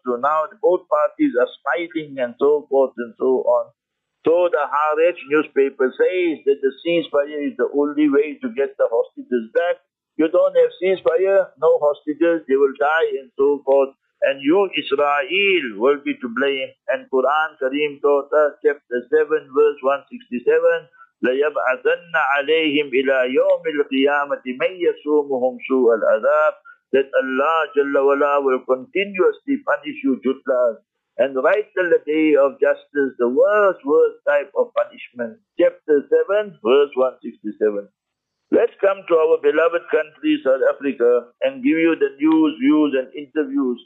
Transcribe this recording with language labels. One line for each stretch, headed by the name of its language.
English: So now both parties are smiling and so forth and so on. So the Haaretz newspaper says that the ceasefire is the only way to get the hostages back. You don't have ceasefire, no hostages, they will die and so forth. And you, Israel, will be to blame. And Quran Kareem taught us, chapter 7, verse 167,
Arabic: لَيَبْعَثَنَّ عَلَيْهِمْ إِلَىٰ يَوْمِ الْقِيَامَةِ مَنْ يَسُومُهُمْ سُوءَ الْعَذَابِ.
English: That Allah Jalla Wala will continuously punish you, Jutlas. And right till the day of justice, the worst type of punishment. Chapter 7, verse 167. Let's come to our beloved country, South Africa, and give you the news, views, and interviews.